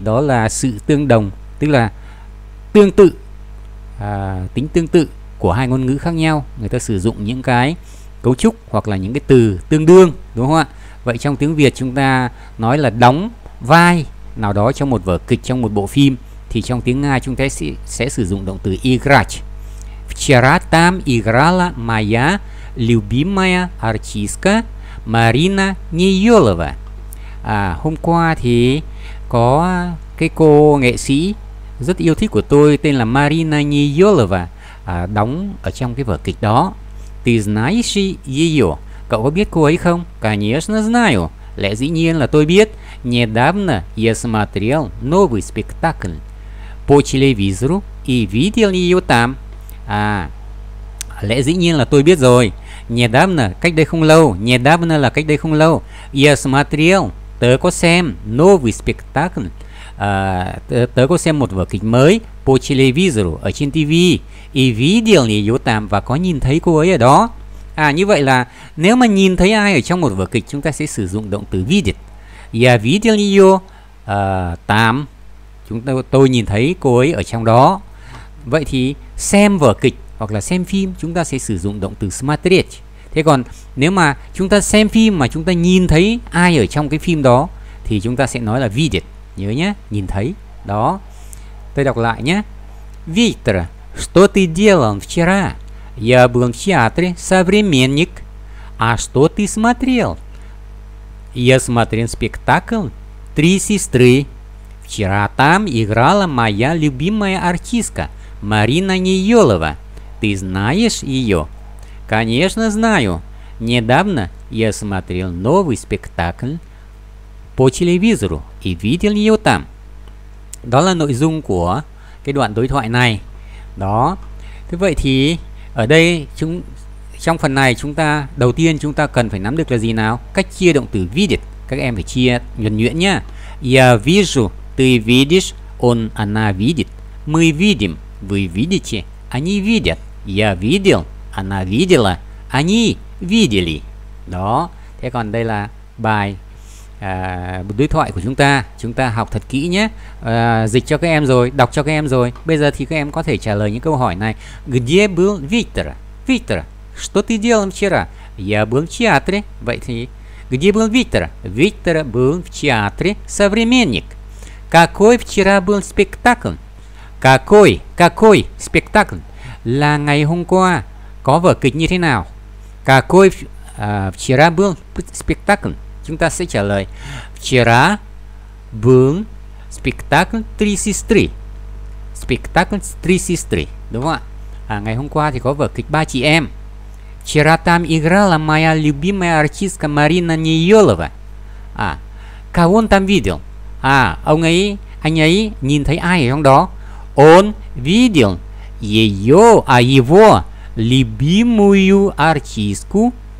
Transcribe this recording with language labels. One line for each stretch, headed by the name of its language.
Vietnamese: Đó là sự tương đồng, tức là tương tự, tính tương tự của hai ngôn ngữ khác nhau. Người ta sử dụng những cái cấu trúc hoặc là những cái từ tương đương, đúng không ạ? Vậy trong tiếng Việt chúng ta nói là đóng vai nào đó trong một vở kịch, trong một bộ phim, thì trong tiếng Nga chúng ta sẽ sử dụng động từ играть.
Russian: Вчера там играла моя любимая артистка Марина Неёлова.
Vietnamese: À, hôm qua thì có cái cô nghệ sĩ rất yêu thích của tôi tên là Марина Неёлова đóng ở trong cái vở kịch đó.
Russian: Ты знаешь её?
Vietnamese: Cậu có biết cô ấy không?
Russian: Конечно знаю.
Vietnamese: Lẽ dĩ nhiên là tôi biết.
Russian: Недавно я смотрел новый спектакль по телевизору и видел её там.
Vietnamese: À, lẽ dĩ nhiên là tôi biết rồi. Недавно, cách đây không lâu. Недавно là cách đây không lâu.
Russian: Я смотрел,
Vietnamese: tớ có xem
Russian: новый спектакль.
Vietnamese: Tớ có xem một vở kịch mới
Russian: по телевизору,
Vietnamese: ở trên TV.
Russian: И видел её там,
Vietnamese: và có nhìn thấy cô ấy ở đó. À, như vậy là nếu mà nhìn thấy ai ở trong một vở kịch chúng ta sẽ sử dụng động từ видеть.
Russian: Я видел её там.
Vietnamese: Tôi nhìn thấy cô ấy ở trong đó. Vậy thì xem vở kịch hoặc là xem phim chúng ta sẽ sử dụng động từ смотреть. Thế còn nếu mà chúng ta xem phim mà chúng ta nhìn thấy ai ở trong cái phim đó thì chúng ta sẽ nói là видеть. Nhớ nhé, nhìn thấy. Đó. Tôi đọc lại nhé.
Russian: Виктор, что ты делал вчера? Я был в театре современник. А что ты смотрел? Я смотрел спектакль «Три сестры». Вчера там играла моя любимая артистка Марина Неёлова. Ты знаешь её? Конечно, знаю. Недавно я смотрел новый спектакль по телевизору и видел её там.
Vietnamese: Đó là nội dung của cái đoạn đối thoại này. Đó. Thế vậy thì ở đây trong phần này chúng ta đầu tiên chúng ta cần phải nắm được là gì nào? Cách chia động từ видеть. Các em phải chia nhuần nhuyễn nhá. Я вижу, ты видишь, он она видит. Мы видим, вы видите, они видят. Я видел, она видела, они видели. Đó. Thế còn đây là bài đối thoại của chúng ta. Chúng ta học thật kỹ nhé. Dịch cho các em rồi, đọc cho các em rồi. Bây giờ thì các em có thể trả lời những câu hỏi này.
Russian: Где был Виктор? Виктор, что ты делал вчера? Я был в театре.
Vietnamese: Vậy thì
Russian: где был Виктор? Виктор был в театре. Современник. Какой вчера был спектакль? Какой спектакль?
Vietnamese: Là ngày hôm qua có vở kịch như thế nào?
Russian: Какой вчера был спектакль?
Vietnamese: Chúng ta sẽ trả lời
Russian: вчера был спектакль три сестры. Спектакль три сестры.
Vietnamese: Đúng không ạ? À, ngày hôm qua thì có vở kịch ba chị em.
Russian: Вчера там играла моя любимая артистка Марина Ниёлова. À, кого он там видел?
Vietnamese: À, anh ấy nhìn thấy ai ở trong đó?
Russian: Он видел её, а его любимую артистку.